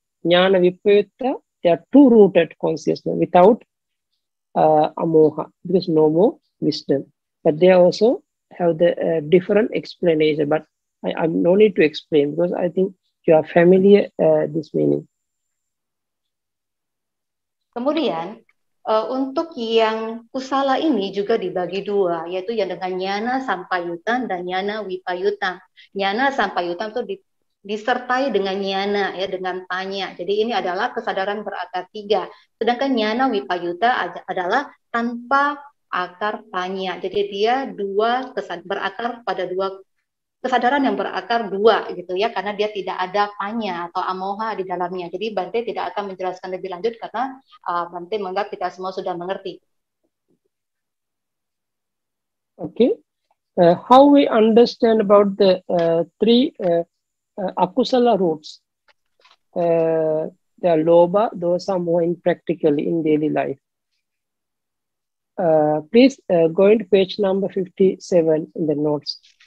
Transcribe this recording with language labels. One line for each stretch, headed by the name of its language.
English: Jnana vipayutta, there are two rooted consciousness without amoha, because no more wisdom. But they also have the different explanation, but I no need to explain because I think you are familiar this meaning.
Indonesian: Kemudian untuk yang kusala ini juga dibagi dua, yaitu yang dengan jnana sampayutan dan jnana vipayutan. Jnana sampayutan itu disertai dengan jnana ya, dengan panya. Jadi ini adalah kesadaran berakar tiga. Sedangkan jnana vipayuta adalah tanpa akar panya. Jadi dia dua berakar pada dua kesadaran yang berakar dua gitu ya, karena dia tidak ada panya atau amoha di dalamnya. Jadi Bante tidak akan menjelaskan lebih lanjut karena Bante menganggap kita semua sudah mengerti.
English: Okay. How we understand about the three akusala roots? They are loba, dosa, moha practically in daily life. Please go into page number 57 in the notes.